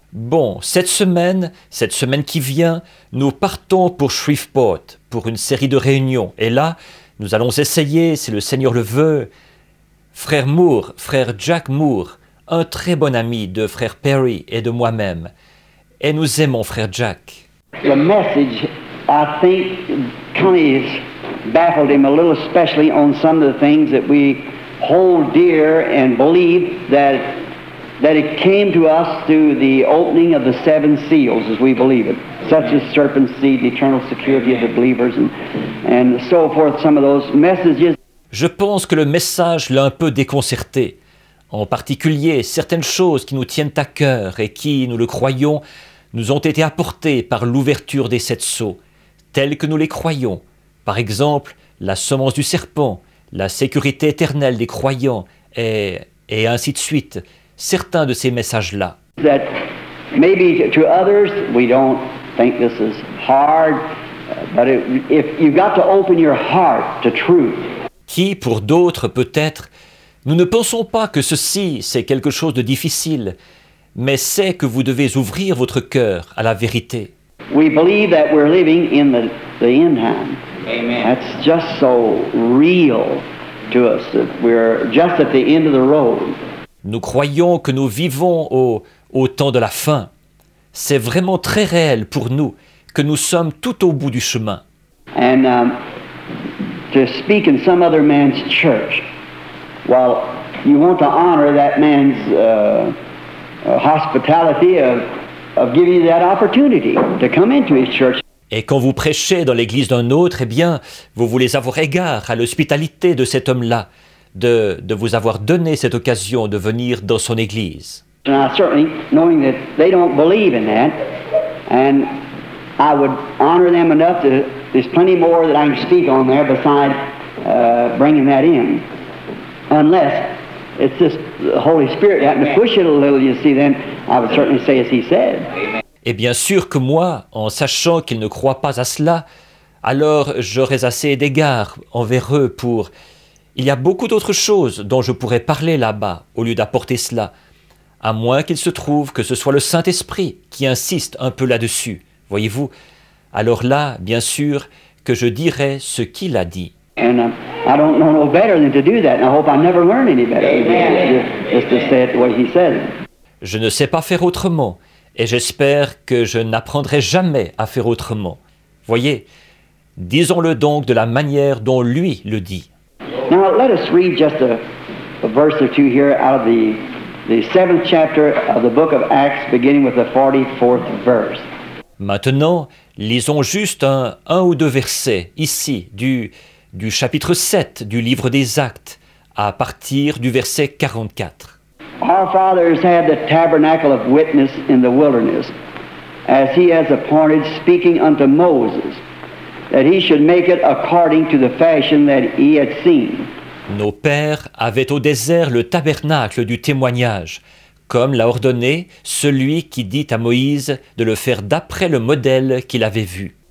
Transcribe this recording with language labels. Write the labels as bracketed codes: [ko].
[fr] Bon, cette semaine qui vient, nous partons pour Shreveport, pour une série de réunions. Et là, nous allons essayer, si le Seigneur le veut, Frère Moore, Frère Jack Moore, un très bon ami de Frère Perry et de moi-même. Et nous aimons Frère Jack. [en] The message, I think, kind of baffled him a little, especially on some of the things that we hold dear and believe that it came to us through the opening of the seven seals, as we believe it, such as serpent seed, the eternal security of the believers, and so forth, some of those messages. [fr] Je pense que le message l'a un peu déconcerté, en particulier certaines choses qui nous tiennent à cœur et qui, nous le croyons, nous ont été apportées par l'ouverture des sept sceaux, telles que nous les croyons. Par exemple, la semence du serpent, la sécurité éternelle des croyants, et ainsi de suite, certains de ces messages-là. [en] That maybe to others, we don't think this is hard, but if you've got to open your heart to truth. [fr] Qui, pour d'autres, peut-être, nous ne pensons pas que ceci, c'est quelque chose de difficile, mais c'est que vous devez ouvrir votre cœur à la vérité. [en] We believe that we're living in the end time. Amen. That's just so real to us, that we're just at the end of the road. [fr] Nous croyons que nous vivons au temps de la fin. C'est vraiment très réel pour nous que nous sommes tout au bout du chemin. [en] And to speak in some other man's church, well, you want to honor that man's hospitality of giving you that opportunity to come into his church. [fr] Et quand vous prêchez dans l'église d'un autre, eh bien, vous voulez avoir égard à l'hospitalité de cet homme-là, de vous avoir donné cette occasion de venir dans son église. [en] And I certainly, knowing that they don't believe in that, and I would honor them enough to. There's plenty more that I can speak on there besides bringing that in. Unless it's just the Holy Spirit having to push it a little, you see, then I would certainly say as he said. [fr] Et bien sûr que moi, en sachant qu'ils ne croient pas à cela, alors j'aurais assez d'égards envers eux pour... Il y a beaucoup d'autres choses dont je pourrais parler là-bas au lieu d'apporter cela, à moins qu'il se trouve que ce soit le Saint-Esprit qui insiste un peu là-dessus, voyez-vous. Alors là, bien sûr, que je dirai ce qu'il a dit. [en] And I don't know no better than to do that, and I hope I never learn any better. Amen. Just to say it what he said. [fr] Je ne sais pas faire autrement, et j'espère que je n'apprendrai jamais à faire autrement. Voyez, disons-le donc de la manière dont lui le dit. [en] Now let us read just a verse or two here out of the seventh chapter of the book of Acts, beginning with the 44th verse. [fr] Maintenant, lisons juste un ou deux versets ici du chapitre 7 du livre des Actes à partir du verset 44. [en] Our fathers had the tabernacle of witness in the wilderness, as he has appointed, speaking unto Moses, that he should make it according to the fashion that he had seen. [fr] Nos pères avaient au désert le tabernacle du témoignage, comme l'a ordonné celui qui dit à Moïse de le faire d'après le modèle qu'il avait vu.